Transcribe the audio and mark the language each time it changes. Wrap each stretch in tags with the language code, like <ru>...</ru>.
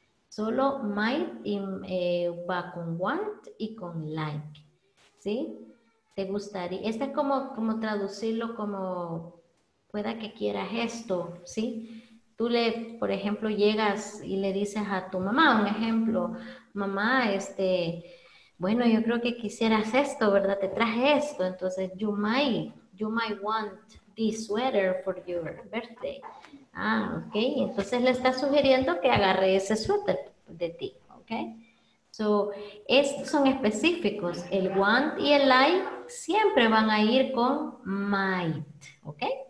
<es>Solo might y, va con want y con like. ¿Sí? ¿Te gustaría? Este es como traducirlo como pueda que quieras esto, ¿sí? Tú le, por ejemplo, llegas y le dices a tu mamá, un ejemplo, mamá, este, bueno, yo creo que quisieras esto, ¿verdad? Te traje esto, entonces</es> <en>you might want sweater for your birthday.</en> <es>Ah, ok. Entonces le está sugiriendo que agarre ese suéter de ti, ok. So, estos son específicos. El want y el like siempre van a ir con might, ok.</es>